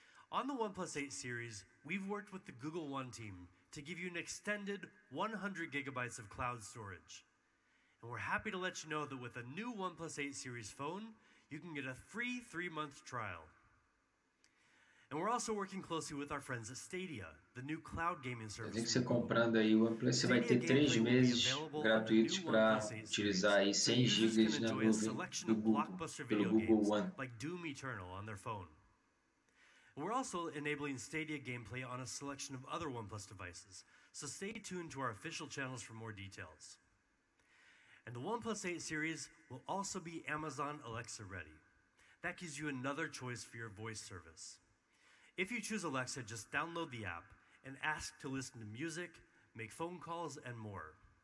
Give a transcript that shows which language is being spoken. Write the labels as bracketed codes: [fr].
[en] On the OnePlus 8 series, we've worked with the Google One team to give you an extended 100 gigabytes of cloud storage. And we're happy to let you know that with a new OnePlus 8 series phone, you can get a free 3-month trial. And we're also working closely with our friends at Stadia, the new cloud gaming service. [pt] Tem que ser comprando aí o OnePlus, você vai ter 3 meses gratuitos para utilizar aí 100 GB na nuvem do Google, pelo Google One. [en] Like Doom Eternal on their phone. And we're also enabling Stadia gameplay on a selection of other OnePlus devices. So stay tuned to our official channels for more details. And the OnePlus 8 series will also be Amazon Alexa ready. That gives you another choice for your voice service. If you choose Alexa, just download the app and ask to listen to music, make phone calls, and more.